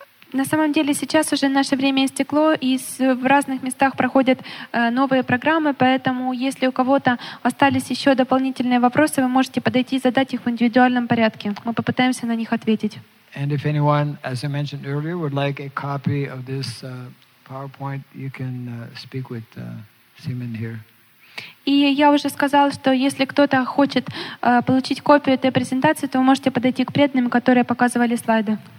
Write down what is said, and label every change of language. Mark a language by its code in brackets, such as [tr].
[ru] На самом деле сейчас уже наше время истекло, и в разных местах проходят новые программы, поэтому если у кого-то остались еще дополнительные вопросы, вы можете подойти и задать их в индивидуальном порядке. Мы попытаемся на них ответить. [en] And if anyone, as I mentioned earlier, would like a copy of this PowerPoint, you can speak with Simon here. [ru] И я уже сказала, что если кто-то хочет получить копию этой презентации, то вы можете подойти к преданным, которые показывали слайды.